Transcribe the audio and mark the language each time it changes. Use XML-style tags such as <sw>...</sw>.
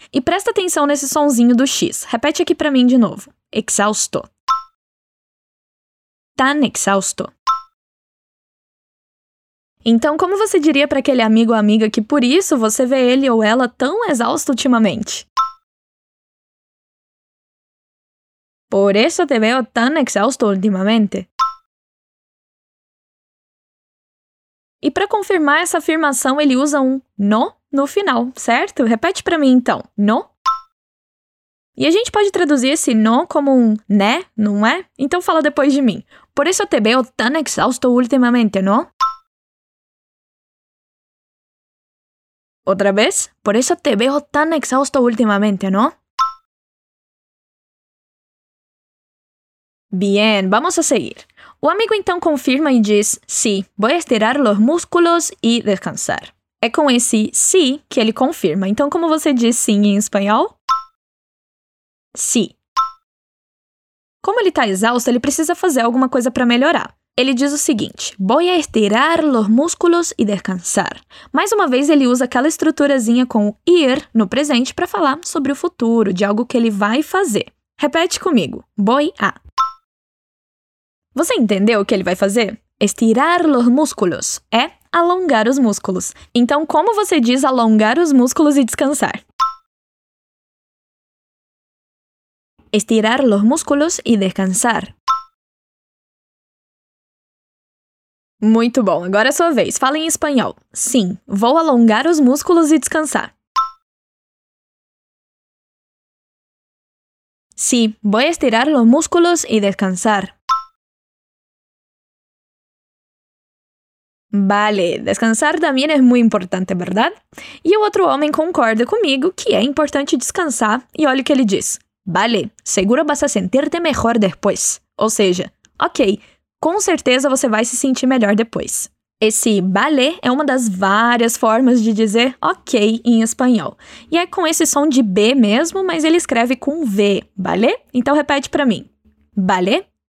<pt>E presta atenção nesse sonzinho do X. Repete aqui pra mim de novo. Exausto.</pt> <es>Tan exausto.</es> <pt>Então, como você diria para aquele amigo ou amiga que por isso você vê ele ou ela tão exausto ultimamente?</pt> <es>Por eso te veo tan exausto últimamente.</es> <pt>E para confirmar essa afirmação, ele usa um no no final, certo? Repete para mim, então. No. E a gente pode traduzir esse no como um né, não é? Então, fala depois de mim.</pt> <es>Por eso te veo tan exausto últimamente, no?</es> <pt>Outra vez?</pt> <es>Por eso te veo tan exausto últimamente, no? Bien, vamos a seguir.</es> <pt>O amigo então confirma e diz,</pt> <es>sí, voy a estirar los músculos y descansar.</es> <pt>É com esse sí que ele confirma. Então, como você diz sim em espanhol? Sí. Como ele está exausto, ele precisa fazer alguma coisa para melhorar. Ele diz o seguinte,</pt> <es>voy a estirar los músculos y descansar.</es> <pt>Mais uma vez, ele usa aquela estruturazinha com o ir no presente para falar sobre o futuro, de algo que ele vai fazer. Repete comigo,</pt> <es>voy a.</es> <pt>Você entendeu o que ele vai fazer?</pt> <es>Estirar los músculos</es> <pt>é alongar os músculos. Então, como você diz alongar os músculos e descansar?</pt> <es>Estirar los músculos y descansar.</es> <pt>Muito bom, agora é sua vez.</pt> <es>Fala em espanhol.</es> <pt>Sim, vou alongar os músculos e descansar.</pt> <es>Sí, voy a estirar los músculos y descansar. Vale, descansar también es muy importante, ¿verdad?</es> <pt>E o outro homem concorda comigo que é importante descansar e olha o que ele diz.</pt> <es>Vale, seguro vas a sentirte mejor después.</es> <pt>Ou seja, ok, com certeza você vai se sentir melhor depois. Esse vale é uma das várias formas de dizer ok em espanhol. E é com esse som de B mesmo, mas ele escreve com V, vale? Então repete pra mim. Vale?</pt>